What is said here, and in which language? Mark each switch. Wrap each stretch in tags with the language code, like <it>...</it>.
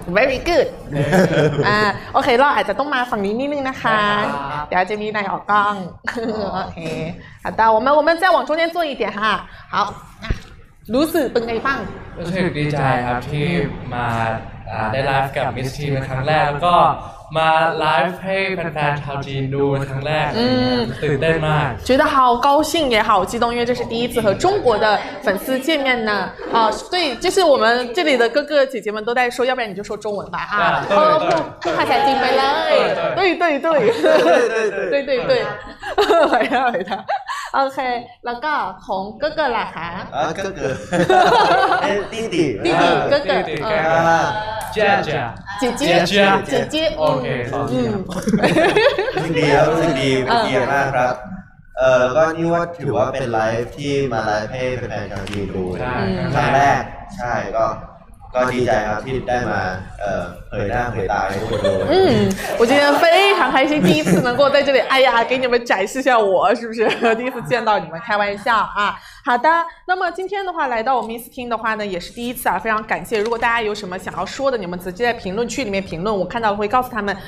<en>very good</en> <th>โอเคเราอาจจะต้องมาฝั่งนี้นิดนึงนะคะเดี๋ยวจะมีนายออกกล้องโอเค</th> <zh>好的我们再往中间坐一点哈好</zh> <th>รู้สึกเป็นไงบ้าง รู้สึกดีใจครับที่มาได้ไลฟ์กับมิสทีนครั้งแรกก็มาไลฟ์ให้แฟนๆชาวจีนดูครั้งแรกตื่นเต้นมาก</th> <zh>觉得好高兴也好激动因为这是第一次和中国的粉丝见面呢啊所以就是我们这里的哥哥姐姐们都在说要不然你就说中文吧啊对对对不怕才进杯了对对对对对对回答回答OK， 那个红哥哥啦哈。啊，哥哥。弟弟。弟弟，哥哥。弟弟，哥哥。姐姐。姐姐。姐姐。姐姐。 OK。嗯。弟弟，弟弟，弟弟，</zh> <th>มากครับ。 ก็นี่ว่าถือว่าเป็นไลฟ์ที่มาไลฟ์ให้แฟนๆชาวจีนดูครั ้งแรกใช่ก็ดีใจครับที่ได้มาเผยหน้าเผยตาให้ทุกคนดู</th> <zh>ผม今天非常开心第一次能够在这里哎呀给你们展示一下我是不是第一次见到你们开玩笑啊好的那么今天的话来到我们 Miss 听的话呢也是第一次啊非常感谢如果大家有什么想要说的你们直接在评论区里面评论我看到了会告诉他们</zh>